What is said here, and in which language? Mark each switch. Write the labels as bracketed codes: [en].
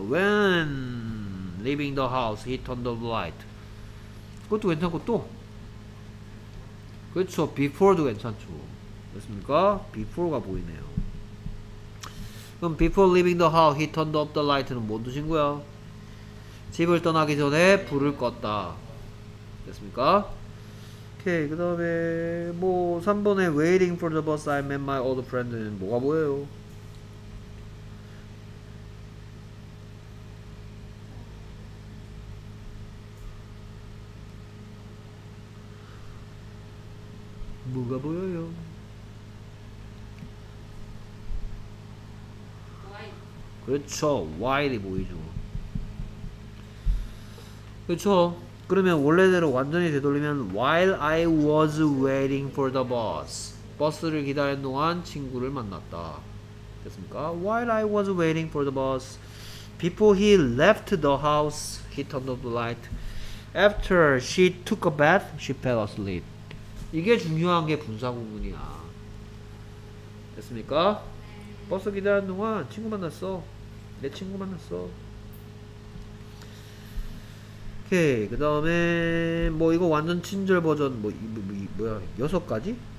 [en] when leaving the house he turned up the light. [ko] 그것도 괜찮고 또 그렇죠. before도 괜찮죠. 됐습니까? before가 보이네요. 그럼 [en] before leaving the house he turned up the light는 [ko] 뭔 뜻인 거야? 집을 떠나기 전에 불을 껐다. 됐습니까? 오케이. 그 다음에 뭐 3번에 [en] waiting for the bus I met my old friend [ko] 는 뭐가 보여요? 뭐가 보여요? [en] Why? [ko] 그렇죠. Why이 보이죠. 그렇죠. 그러면 원래대로 완전히 되돌리면 [en] While I was waiting for the bus. [ko] 버스를 기다리는 동안 친구를 만났다. 됐습니까? [en] While I was waiting for the bus. Before he left the house, he turned off the light. After she took a bath, she fell asleep. [ko] 이게 중요한 게 분사 구문이야. 됐습니까? 버스 기다리는 동안 친구 만났어. 내 친구 만났어. 오케이. 그 다음에 뭐 이거 완전 친절 버전 뭐야 여섯 가지?